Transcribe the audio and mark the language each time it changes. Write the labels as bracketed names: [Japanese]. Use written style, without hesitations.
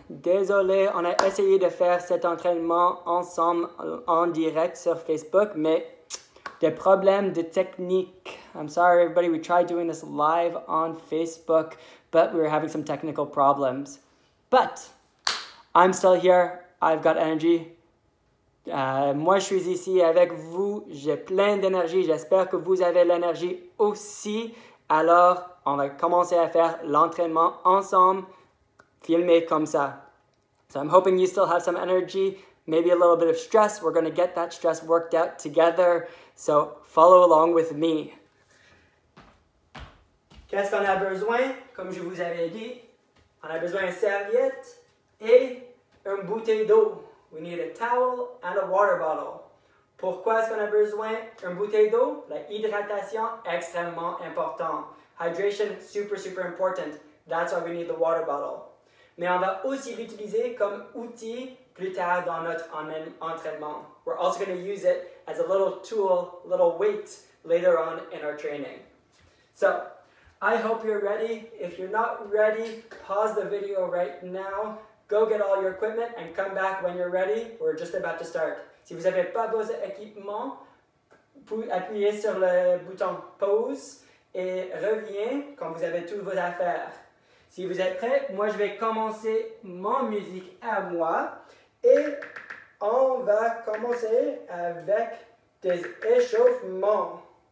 [French] Désolé, on a essayé de faire cet entraînement ensemble en direct sur Facebook, mais des problèmes de technique. [English] I'm sorry everybody, we tried doing this live on Facebook, but we were having some technical problems. But I'm still here. I've got energy. [French] Moi je suis ici avec vous. J'ai plein d'énergie. J'espère que vous avez l'énergie aussi. Alors, on va commencer à faire l'entraînement ensemble, filmé comme ça. [English] So I'm hoping you still have some energy, maybe a little bit of stress. We're going to get that stress worked out together. So follow along with me. [French] Qu'est-ce qu'on a besoin? Comme je vous avais dit, on a besoin d'une serviette et une bouteille d'eau. [English] We need a towel and a water bottle. [French] Pourquoi est-ce qu'on a besoin d'une bouteille d'eau? La hydratation, extrêmement important. [English] Hydration, super, super important. That's why we need the water bottle. [French] Mais on va aussi l'utiliser comme outil plus tard dans notre entraînement. [English] We're also going to use it as a little tool, little weight, later on in our training. So, I hope you're ready. If you're not ready, pause the video right now. Go get all your equipment and come back when you're ready. We're just about to start. [French] Si vous n'avez pas vos équipements, vous appuyez sur le bouton pause et reviens quand vous avez toutes vos affaires. Si vous êtes prêts, moi je vais commencer mon musique à moi et on va commencer avec des échauffements.